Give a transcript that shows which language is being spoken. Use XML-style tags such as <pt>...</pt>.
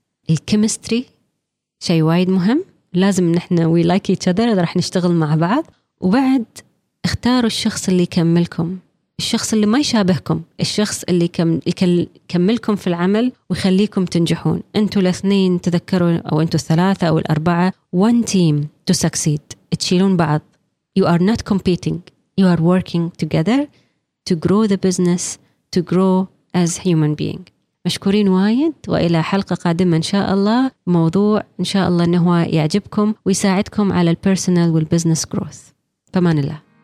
<ar>الكيمستري شيء وايد مهم، لازم نحن</ar> <en>we like each other,</en> <ar>راح نشتغل مع بعض. وبعد اختاروا الشخص اللي يكملكم، الشخص اللي ما يشابهكم، الشخص اللي يكملكم في العمل ويخليكم تنجحون. انتوا الاثنين تذكروا، او انتوا الثلاثة او الاربعة،</ar> <en>one team to succeed،</en> <ar>تشيلون بعض.</ar> <en>You are not competing, you are working together to grow the business, to grow as human being.</en> <ar>مشكورين وايد، وإلى حلقة قادمة إن شاء الله، موضوع إن شاء الله إنه هو يعجبكم ويساعدكم على</ar> <en>البيرسونال والبزنس جروث.</en> <ar>فمان الله.</ar>